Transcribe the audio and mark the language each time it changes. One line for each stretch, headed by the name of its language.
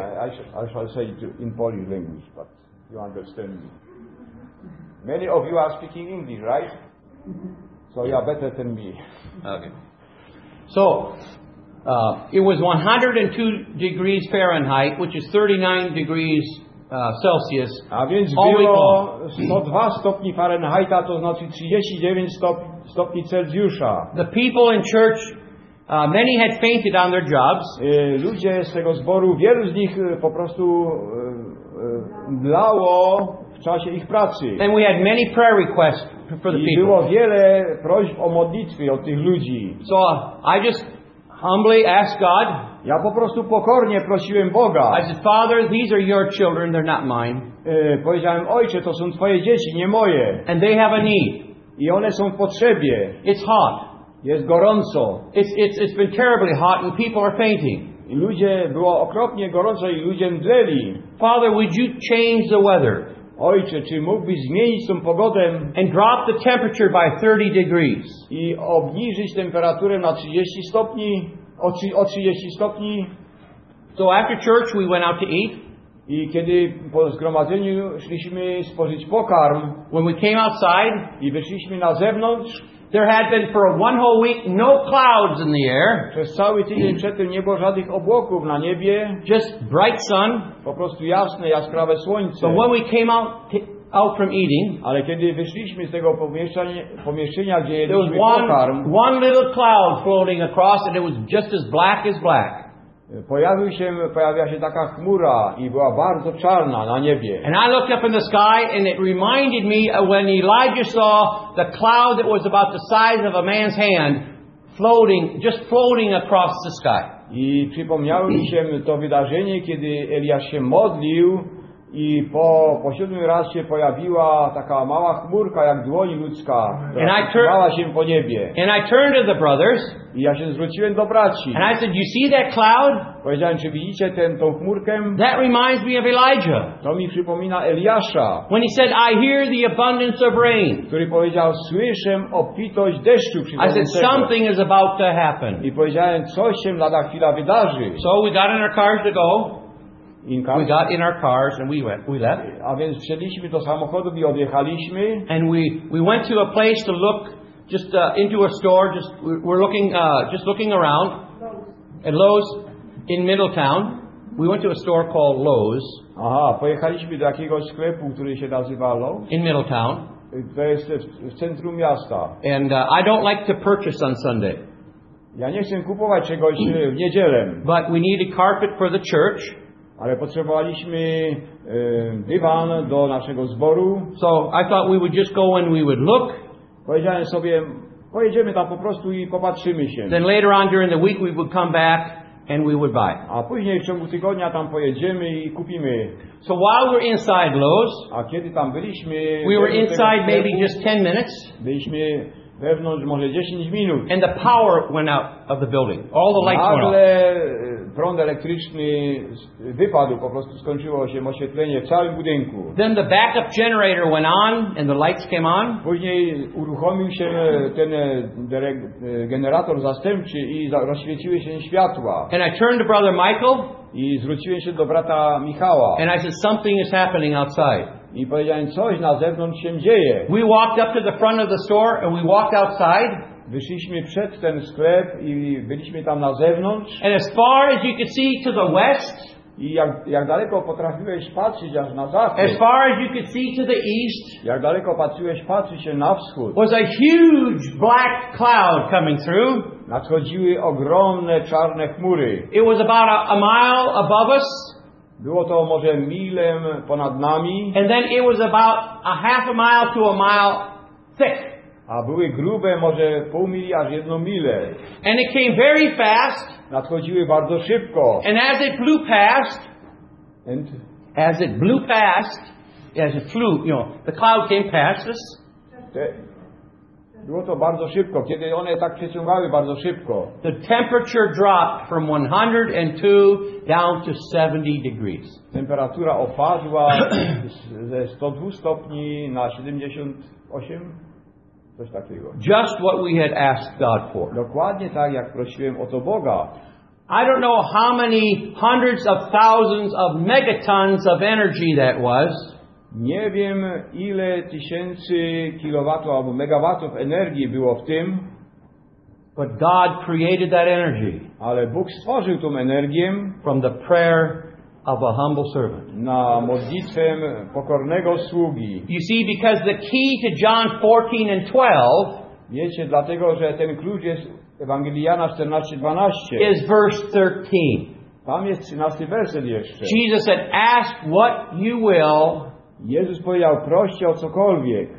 English: I shall say it in Polish language, but you understand me. Many of you are speaking English, right? So you are better than me. Okay. So it was 102 degrees Fahrenheit, which is 39 degrees. Celsius.
Polish: A więc
English: all
Polish: było 102 stopni Fahrenheita, to znaczy 39 stopni Celsjusza.
English: The people in church, many had fainted on their jobs.
Polish: Ludzie z tego zboru, wielu z nich po prostu mdlało w czasie ich pracy.
English: And we had many prayer requests for the
Polish: I
English: people.
Polish: Było wiele prośb o modlitwy od tych ludzi.
English: So I just humbly asked God.
Polish: Ja po prostu pokornie prosiłem Boga.
English: I said, Father, these are your children, they're not mine.
Polish: Powiedziałem, Ojcze, to są Twoje dzieci, nie moje.
English: And they have a need.
Polish: I one są w potrzebie.
English: It's hot.
Polish: Jest gorąco.
English: It's been terribly hot and people are fainting.
Polish: I ludzie, było okropnie gorąco i ludzie mdleli.
English: Father, would you change the weather?
Polish: Ojcze, czy mógłbyś zmienić tą pogodę?
English: And drop the temperature by 30 degrees.
Polish: I obniżyć temperaturę na 30 stopni. O 30 stopni.
English: So after church we went out to eat.
Polish: I kiedy po zgromadzeniu szliśmy spożyć pokarm.
English: When we came outside,
Polish: i wyszliśmy na zewnątrz,
English: there had been for one whole week no clouds in the air.
Polish: Przez cały tydzień przedtem nie było żadnych obłoków na niebie.
English: Just bright sun.
Polish: Po prostu jasne, jaskrawe słońce.
English: So when we came out from eating,
Polish: ale kiedy wyszliśmy z tego pomieszczenia, gdzie jedliśmy pokarm,
English: one little cloud floating across, and it was just as black as black.
Polish: Pojawiła się taka chmura i była bardzo czarna na niebie.
English: And I looked up in the sky, and it reminded me of when Elijah saw the cloud that was about the size of a man's hand, floating across the sky.
Polish: I przypomniało mi się to wydarzenie, kiedy Eliasz się modlił. I po siódmym razie się pojawiła taka mała chmurka jak dłoń ludzka, która się po niebie.
English: And I turned to the brothers.
Polish: I ja się zwróciłem do braci.
English: And I said, you see that cloud?
Polish: Powiedziałem, czy widzicie tą chmurkę?
English: That reminds me of Elijah.
Polish: To mi przypomina Eliasza.
English: When he said, I hear the abundance of rain.
Polish: Który powiedział, słyszę obfitość deszczu przychodzącego.
English: I said, something is about to happen.
Polish: I powiedziałem, coś się lada chwila wydarzy.
English: So we got in our cars to go. We got in our cars and we left.
Polish: A więc wsiedliśmy do samochodu i odjechaliśmy.
English: And we went to a place to look just into a store. We're looking around at Lowe's in Middletown. We went to a store called Lowe's.
Polish: Aha, pojechaliśmy do jakiegoś sklepu, który się nazywa Lowe's.
English: In Middletown.
Polish: To jest w centrum miasta.
English: And I don't like to purchase on Sunday.
Polish: Ja nie chcę kupować czegoś w niedzielę.
English: But we need a carpet for the church.
Polish: Ale potrzebowaliśmy dywan do naszego zboru.
English: So I thought we would just go and we would look.
Polish: Powiedziałem sobie, pojedziemy tam po prostu i popatrzymy się.
English: Then later on during the week we would come back and we would buy.
Polish: A później w ciągu tygodnia tam pojedziemy i kupimy.
English: So while we're inside Lowe's,
Polish: a kiedy tam byliśmy,
English: we were inside maybe just 10 minutes.
Polish: Byliśmy wewnątrz może 10 minut.
English: And the power went out of the building. All the lights went out.
Polish: Prąd elektryczny wypadł, po prostu skończyło się oświetlenie w całym budynku.
English: Then the backup generator went on and the lights came on.
Polish: Później uruchomił się ten generator zastępczy i rozświeciły się światła.
English: And I turned to brother Michael.
Polish: I zwróciłem się do brata Michała.
English: And I said, something is happening outside.
Polish: I powiedziałem, coś na zewnątrz się dzieje.
English: We walked up to the front of the store and we walked outside.
Polish: Wyszliśmy przed ten sklep i byliśmy tam na zewnątrz.
English: And as far as you could see to the west.
Polish: I jak daleko potrafiłeś patrzeć aż na zachód.
English: As far as you could see to the east.
Polish: Jak daleko patrzyłeś patrzeć się na wschód.
English: Was a huge black cloud coming through.
Polish: Nadchodziły ogromne czarne chmury.
English: It was about a mile above us.
Polish: Było to może milę ponad nami.
English: And then it was about a half a mile to a mile thick.
Polish: A były grube, może pół mili, aż jedną milę.
English: And it came very fast.
Polish: Nadchodziły bardzo szybko.
English: And as it blew past, and as it blew past, as it flew, you know, the cloud came past us.
Polish: Było to bardzo szybko, kiedy one tak przeciągały bardzo szybko.
English: The temperature dropped from 102 down to 70 degrees.
Polish: Temperatura opadła ze 102 stopni na 78.
English: Just what we had asked God for.
Polish: Dokładnie tak, jak prosiłem o to Boga.
English: I don't know how many hundreds of thousands of megatons of energy that was.
Polish: Nie wiem, ile tysięcy kilowatów albo megawatów energii było w tym.
English: But God created that energy.
Polish: Ale Bóg stworzył tą energię.
English: From the prayer of a humble servant.
Polish: Na modlitwę pokornego sługi.
English: You see, because the key to John 14 and 12,
Polish: wiecie, dlatego, że ten klucz jest Ewangelii Jana 14:12.
English: Is verse 13.
Polish: Tam jest 13 werset jeszcze.
English: Jesus said, ask what you will.
Polish: Jezus powiedział, proście o cokolwiek.